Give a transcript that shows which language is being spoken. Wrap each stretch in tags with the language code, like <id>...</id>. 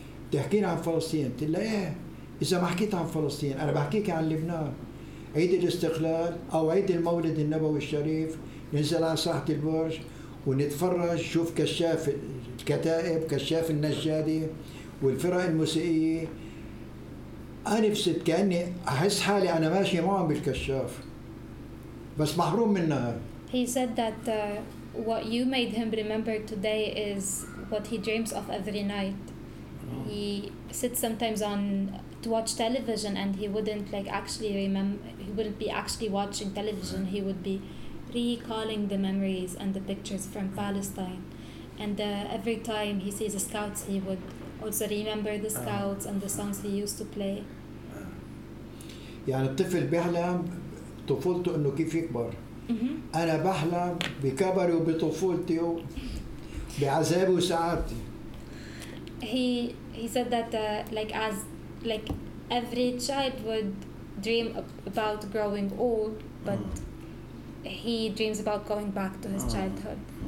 <ar>بتحكيني عن فلسطين تقول لي إيه إذا ما حكيت عن فلسطين أنا بحكيك عن لبنان عيد الاستقلال أو عيد المولد النبوي الشريف ننزل على ساحة البرج ونتفرج شوف كشاف الكتائب كشاف النجادي والفرق الموسيقية أنا نفسي كأني أحس حالي أنا ماشي معهم بالكشاف بس محروم منها.</ar> <en>He said that what you made him remember today is what he dreams of every night. He sits sometimes on to watch television and he wouldn't like actually remember. He wouldn't be actually watching television. He would be recalling the memories and the pictures from Palestine. And every time he sees the scouts, he would also remember the scouts and the songs he used to play.</en> <ar>يعني الطفل بيحلم طفولته إنه كيف يكبر. أنا بحلم بكبري وبطفولتي وبعذابي وسعادتي.</ar> <en>He said that like every child would dream about growing old, but he dreams about going back to his childhood.</en>